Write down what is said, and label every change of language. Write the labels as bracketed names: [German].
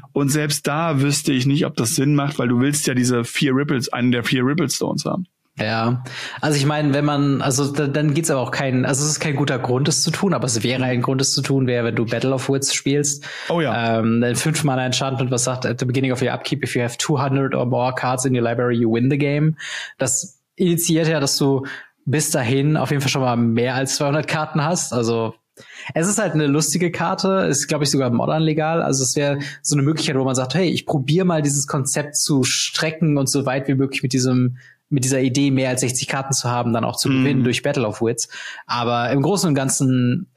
[German] Und selbst da wüsste ich nicht, ob das Sinn macht, weil du willst ja diese vier Ripple Stones haben. Ja, also ich meine, wenn man, also dann geht's aber auch keinen, also es ist kein guter Grund, es zu tun, aber es wäre ein Grund, es zu tun, wenn du Battle of Wits spielst. Oh ja. Dann 5 Mana Enchantment, was sagt, [English] at the beginning of your upkeep, if you have 200 or more cards in your library, you win the game. [German] Das initiiert ja, dass du bis dahin auf jeden Fall schon mal mehr als 200 Karten hast, also es ist halt eine lustige Karte, ist, glaube ich, sogar modern legal. Also es wäre so eine Möglichkeit, wo man sagt, hey, ich probiere mal dieses Konzept zu strecken und so weit wie möglich mit dieser Idee, mehr als 60 Karten zu haben, dann auch zu gewinnen durch Battle of Wits. Aber im Großen und Ganzen